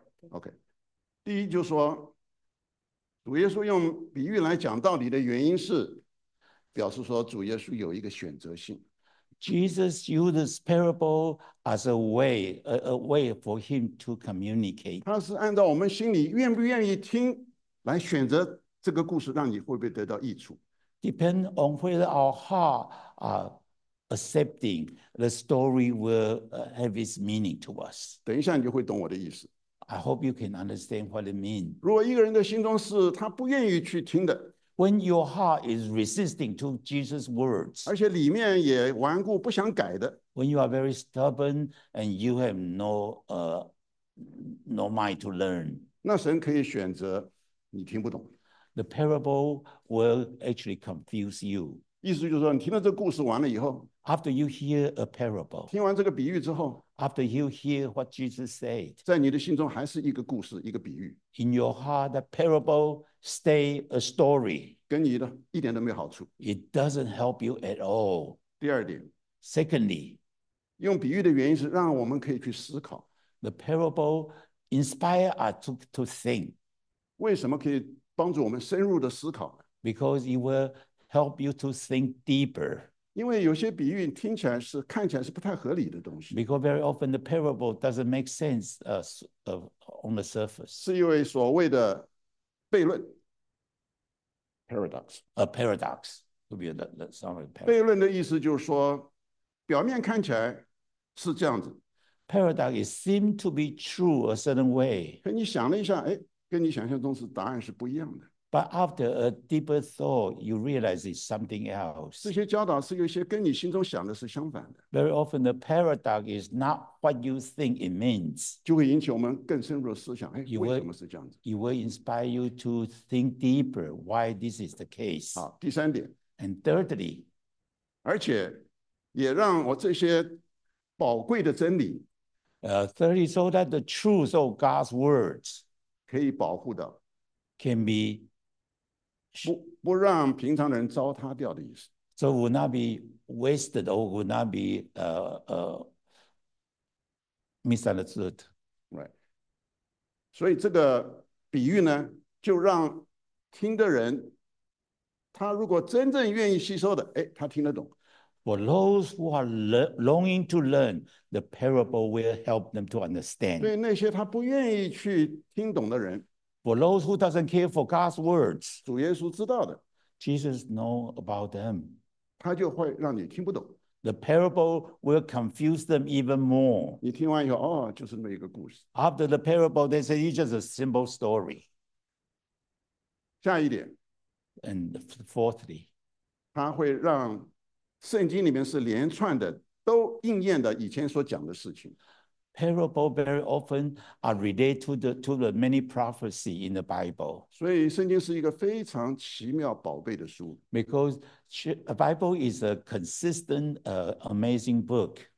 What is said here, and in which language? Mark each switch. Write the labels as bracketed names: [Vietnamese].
[Chinese] OK， 第一就是说，主耶稣用比喻来讲道理的原因是，表示说主耶稣有一个选择性。 [English] Jesus used this parable as a way for him to communicate. [Chinese] 他是按照我们心里愿不愿意听来选择这个故事，让你会不会得到益处。 [English] Depend on whether our heart are accepting the story will have its meaning to us. [Chinese] 等一下你就会懂我的意思。 [English] I hope you can understand what it means. [Chinese] 如果一个人的心中是他不愿意去听的。 [English] When your heart is resisting to Jesus' words. [Chinese] 而且里面也顽固不想改的。 [English] When you are very stubborn and you have no mind to learn. [Chinese] 那神可以选择你听不懂。 [English] The parable will actually confuse you. [Chinese] 意思就是说，你听了这故事完了以后 [English] ，After you hear a parable， [Chinese] 听完这个比喻之后 [English] ，After you hear what Jesus said， [Chinese] 在你的心中还是一个故事，一个比喻。 [English] In your heart, the parable stay a story. [Chinese] 跟你的一点都没有好处。 [English] It doesn't help you at all. [Chinese] 第二点 [English] ，Secondly， [Chinese] 用比喻的原因是让我们可以去思考。 [English] The parable inspire us to think. [Chinese] 为什么可以？帮助我们深入的思考。 [English] Because it will help you to think deeper. [Chinese] 因为有些比喻听起来是看起来是不太合理的东西。 [English] Because very often the parable doesn't make sense on the surface. [Chinese] 是因为所谓的悖论 paradox. [English] A paradox would be the sound of paradox. [Chinese] 悖论的意思就是说，表面看起来是这样子。 [English] Paradox it seems to be true a certain way. [Chinese] 可你想了一下，哎。跟你想象中是答案是不一样的。 [English] But after a deeper thought, you realize it's something else. [Chinese] 这些教导是有些跟你心中想的是相反的。 [English] Very often the paradox is not what you think it means. [Chinese] 就会引起我们更深入的思想。哎，为什么是这样子 [English] ？It will inspire you to think deeper why this is the case. [Chinese] 好，第三点。 [English] And thirdly, [Chinese] 而且也让我这些宝贵的真理。 [English] Thirdly, so that the truth of God's words. Can be [Chinese] 保护的 [English] can be [Chinese] 不让平常人糟蹋掉的意思。 [English] So would not be wasted or would not be misunderstood. Right. [Chinese] 所以这个比喻呢，就让听的人，他如果真正愿意吸收的，哎，他听得懂。 [English] For those who are longing to learn, the parable will help them to understand. [Chinese] 对那些他不愿意去听懂的人。 [English] For those who doesn't care for God's words, [Chinese] 主耶稣知道的。 [English] Jesus knows about them. [Chinese] 他就会让你听不懂。 [English] The parable will confuse them even more. [Chinese] 你听完以后，哦，就是那么一个故事。 [English] After the parable, they say it's just a simple story. [Chinese] 下一点。 [English] And fourthly, [Chinese] 他会让圣经里面是连串的，都应验的以前所讲的事情。 [English] Parable very often are related to the many prophecy in the Bible. [Chinese] 所以圣经是一个非常奇妙宝贝的书。 [English] Because the Bible is a consistent, amazing book.